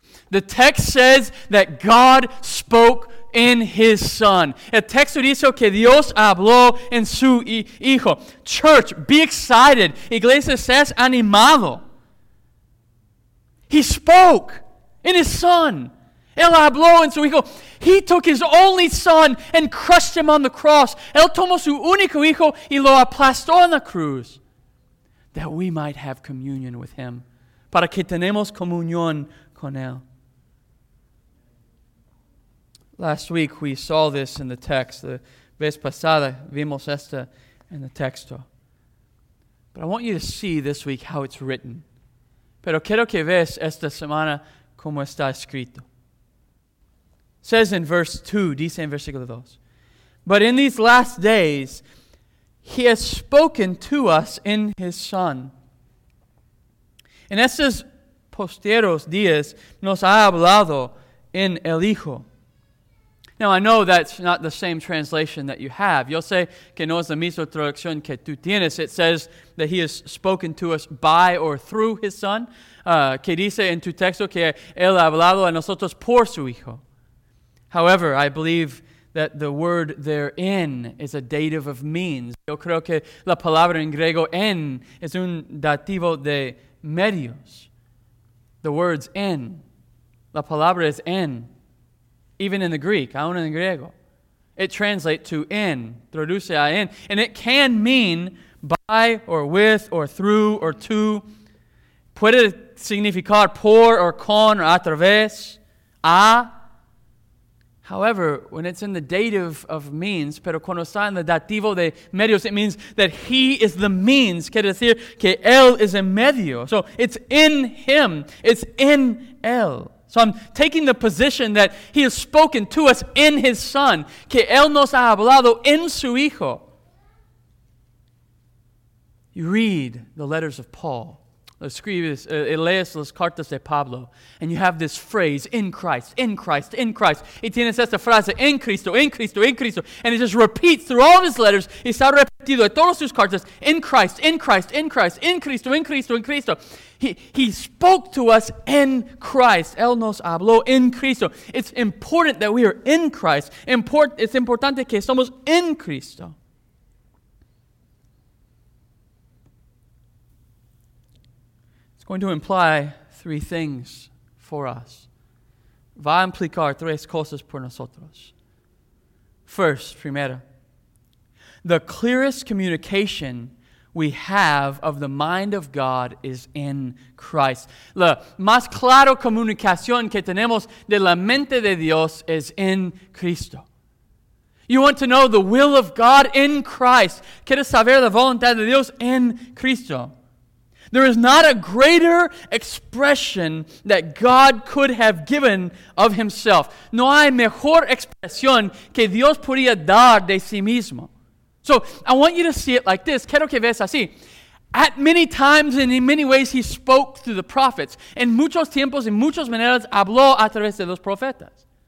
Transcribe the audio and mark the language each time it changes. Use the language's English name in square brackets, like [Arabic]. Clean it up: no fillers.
[English] The text says that God spoke in His Son. [Spanish] El texto dice que Dios habló en su Hijo. [English] Church, be excited. [Spanish] Iglesia, seas animado. [English] He spoke in His Son. [Spanish] Él habló en su Hijo. [English] He took His only Son and crushed Him on the cross. [Spanish] Él tomó su único Hijo y lo aplastó en la cruz. [English] That we might have communion with Him. [Spanish] Para que tenemos comunión con Él. [English] Last week we saw this in the text. The [Spanish] vez pasada vimos esta en el texto. [English] But I want you to see this week how it's written. [Spanish] Pero quiero que veas esta semana como está escrito. [English] It says in verse 2, [Spanish] dice en versículo 2. [English] But in these last days, He has spoken to us in His Son. [Spanish] En estos posteros días, nos ha hablado en el Hijo. [English] Now, I know that's not the same translation that you have. [Spanish] Yo sé que no es la misma traducción que tú tienes. [English] It says that He has spoken to us by or through His Son. [Spanish] Que dice en tu texto que Él ha hablado a nosotros por su Hijo. [English] However, I believe that the word therein is a dative of means. [Spanish] Yo creo que la palabra en griego en es un dativo de medios. [English] The words en. [Spanish] La palabra es en. [English] Even in the Greek, [Spanish] aún en griego. [English] It translates to in, [Spanish] traduce a in. [English] And it can mean by or with or through or to. [Spanish] Puede significar por or con or a través, a. [English] However, when it's in the dative of means, [Spanish] pero cuando está en el dativo de medios, [English] it means that He is the means. [Spanish] Quiere decir que Él es el medio. [English] So it's in Him. It's in Él. So I'm taking the position that He has spoken to us in His Son. [Spanish] Que Él nos ha hablado en su Hijo. [English] You read the letters of Paul. [Spanish] Escribes, lees las cartas de Pablo. [English] And you have this phrase, in Christ, in Christ, in Christ. [Spanish] Y tienes esta frase, en Cristo, en Cristo, en Cristo. [English] And it just repeats through all of his letters. [Spanish] Y está repetido en todas sus cartas. [English] In Christ, in Christ, in Christ, in Cristo, in Cristo, in Cristo. He spoke to us in Christ. [Spanish] Él nos habló en Cristo. [English] It's important that we are in Christ. [Spanish] Es importante que somos en Cristo. [English] It's going to imply three things for us. [Spanish] Va a implicar tres cosas por nosotros. [English] First, [Spanish] primera, [English] the clearest communication we have of the mind of God is in Christ. [Spanish] La más clara comunicación que tenemos de la mente de Dios es en Cristo. [English] You want to know the will of God in Christ. [Spanish] ¿Quieres saber la voluntad de Dios en Cristo? [English] There is not a greater expression that God could have given of Himself. [Spanish] No hay mejor expresión que Dios podría dar de sí mismo. [English] So, I want you to see it like this. [Spanish] Quiero que veas así. [English] At many times and in many ways, He spoke through the prophets. [Spanish] En muchos tiempos y muchas maneras, habló a través de los profetas.